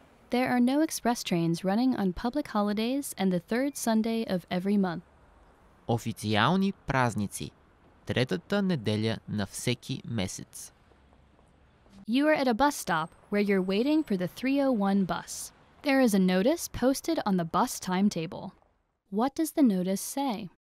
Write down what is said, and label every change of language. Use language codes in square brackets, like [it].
[en] There are no express trains running on public holidays and the third Sunday of every month. [bg] Официални празници. Третата неделя на всеки месец. [en] You are at a bus stop where you're waiting for the 301 bus. There is a notice posted on the bus timetable. What does the notice say?